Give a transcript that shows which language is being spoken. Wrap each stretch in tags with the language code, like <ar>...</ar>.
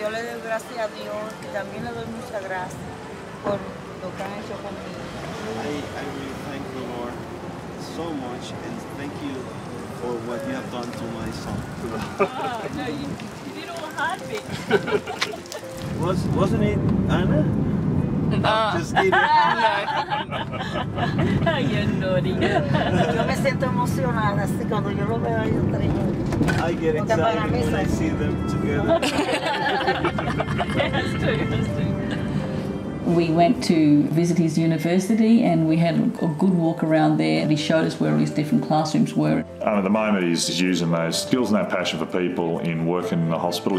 <es>Yo le doy gracias a Dios y también le doy muchas gracias por lo que han hecho conmigo.</es> <en>I really thank the Lord so much and thank you for what you have done to my son. Wasn't it Anna? No. I'm just kidding. You're naughty.</en> <es>Yo me siento emocionada así cuando yo lo veo ellos tres.</es> <en>I get excited when I see them together. That's true, that's true. We went to visit his university and we had a good walk around there, and he showed us where his different classrooms were. At the moment he's using those skills and that passion for people in working in the hospital.</en>